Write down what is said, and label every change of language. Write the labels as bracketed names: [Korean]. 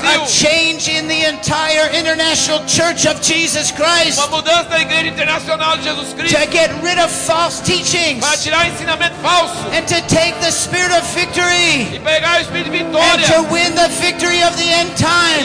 [English] For a change in the entire international church of Jesus Christ. [Portuguese] Uma mudança na igreja internacional de Jesus Cristo. [English] To get rid of false teachings. [Portuguese] Para tirar ensinamento falso. [English] And to take the spirit of victory. [Portuguese] E pegar o espírito de vitória. [English] And to win the victory of the end times.